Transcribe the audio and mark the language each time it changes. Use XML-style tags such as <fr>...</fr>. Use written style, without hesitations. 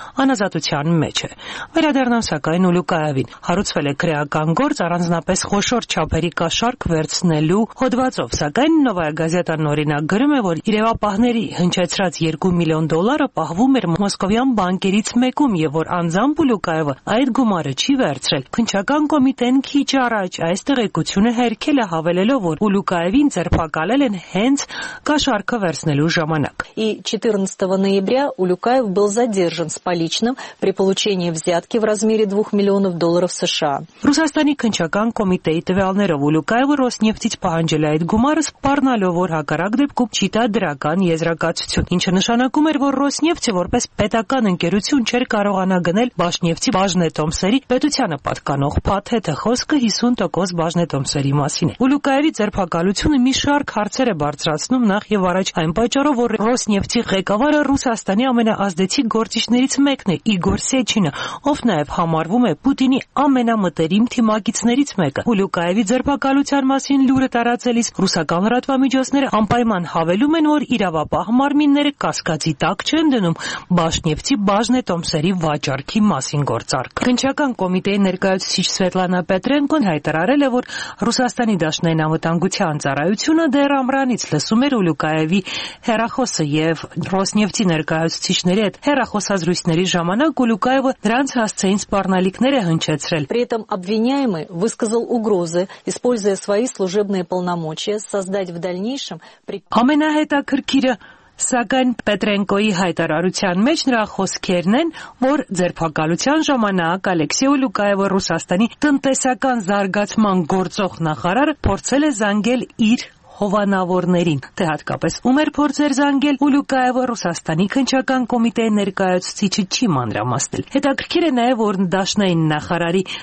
<hy>անազատության մեջ է։ Վերադառնամ Սակայն Ուլյուկաևին հարուցվել է քրեական գործ առանձնապես խոշոր չափերի կաշառք վերցնելու հոդվածով, սակայն Նովայա գազետան օրինակ գրում է, որ իրավապահների հնչեցրած $2 million պահվում էր մոսկովյան բանկերից մեկում և որ անձամբ Ուլյուկաևը այդ գումարը չի վերցրել։ Քնչական կոմիտեն քիչ առաջ այս տեղեկությունը հերքել է, հավելելով, որ Ուլյուկաևին ձերբակալել են հենց կաշառքը վերցնելու ժամանակ։</hy> <ru>И 14 ноября Ուլյուկաև был задержан с поличным при получении взятки в размере $2 million США.</ru> <hy>Ռուսաստանի քնչական կոմիտեի տվյալներով Ուլյուկաևը Ռոսնեֆտից պահանջել այդ գումարը, սպառնալով, որ հակառակ դեպքում չի տա դրական եզրակացություն, ինչը նշանակում էր, որ Ռոսնեֆտը որպես պետական ընկերություն չէր կարողանա գնել Բաշնեֆտի բաժնետոմսերի պետությանը պատկանող փաթեթը, խոսքը 50% բաժնետոմսերի մասին է։ Ուլյուկաևի ձերբակալությունը մի շարք հարցեր է բարձրացնում, նախ եւ առաջ այն պատճառով, որ Ռոսնեֆտի ղեկավարը Ռուսաստանի ամենաազդեցիկ գործիչներից մեկն է, Իգոր Սեչինը, ով նաև համարվում է Պուտինի ամենամտերիմ թիմակիցներից մեկը։ Ուլյուկաևի ձերբակալության մասին լուրը տարածելիս ռուսական լրատվամիջոցները անպայման հավելում են, որ իրավապահ մարմինները կասկածի տակ չեն դնում Բաշնեֆտի բաժնետոմսերի վաճառքի մասին գործարք։ Քնչական կոմիտեի ներկայացուցիչ Սվետլանա Պետրենկոն հայտարարել է, որ Ռուսաստանի դաշնային անվտանգության ծառայությունը դեռ ամրանից լսում էր Ուլյուկաևի հեռախոսը և Ռոսնեֆտի ներկայացուցիչների հետ հեռախոսազրույցների ժամանակ Ուլյուկաևը նրանց հասցեին սպառնալիքներ է հնչեցրել։</hy> <ru>При этом обвиняемый высказал угрозы, используя свои служебные полномочия, создать в дальнейшем</ru> <hy>Ամենահետաքրքիրը, սակայն Պետրենկոյի հայտարարության մեջ նրա խոսքերն են, որ ձերբակալության ժամանակ Ալեքսեյ Ուլյուկաևը Ռուսաստանի տնտեսական զարգացման գործող նախարար փորձել է զանգել իր հովանավորներին, թե հատկապես ում էր փորձեր զանգել Ուլյուկաևը Ռուսաստանի քնչական կոմիտեի ներկայացուցիչը չի մանրամասնել։ Հետաքրքիր է նաև, որ դաշնային նախարարի</hy>